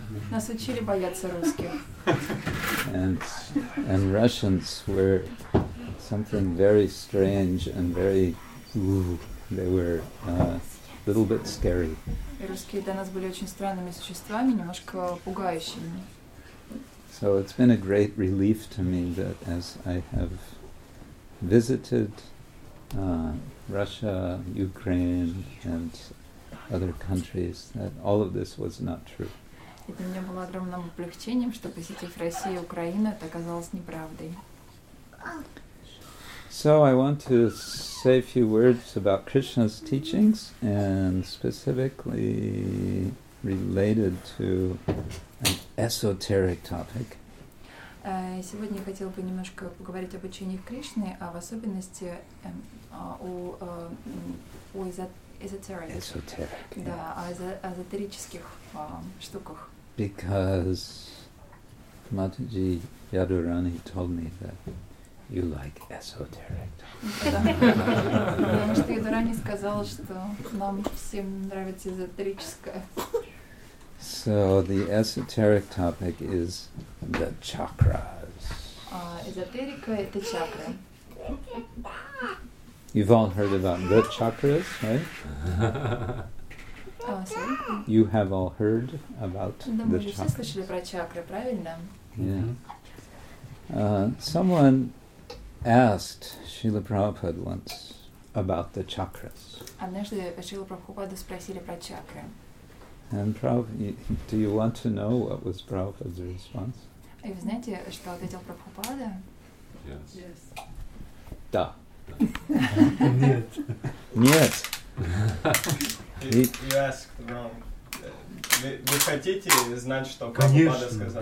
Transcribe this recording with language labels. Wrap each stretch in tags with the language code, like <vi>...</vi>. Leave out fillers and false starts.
<ru>Нас учили бояться русских.</ru> <en>And Russians were something very strange and very, they were a little bit scary.</en> <ru>Русские для нас были очень странными существами, немножко пугающими.</ru> <en>So it's been a great relief to me that as I have visited Russia, Ukraine, and other countries, that all of this was not true.</en> <ru>Это мне было огромным облегчением, что посетив Россию и Украину, это оказалось неправдой.</ru> <en>So I want to say a few words about Krishna's teachings, and specifically related to an esoteric topic.</en> <ru>Сегодня я хотела бы немножко поговорить об учениях Кришны, а в особенности о эзотерических штуках.</ru> <en>Because Mataji Yadurani told me that you like esoteric.</en> <ru>Потому что Ядурани сказала, что нам всем нравится эзотерическое.</ru> <en>So the esoteric topic is the chakras.</en> <ru>Эзотерика – это чакры.</ru> <en>You've all heard about the chakras, right? You have all heard about the chakras.</en> <ru>Мы же все слышали про чакры, правильно? Yeah.</ru> <en>Someone asked Srila Prabhupada once about the chakras.</en> <ru>Однажды Srila Prabhupada спросили про чакры.</ru> <en>And do you want to know what was Prabhupada's response?</en> <ru>И вы знаете, что ответил Прабхупада?</ru> <en>Yes.</en> <ru>Да. Нет. Нет.</ru> <en>You asked wrong.</en> <ru>Вы хотите знать, что Прабхупада сказал?</ru>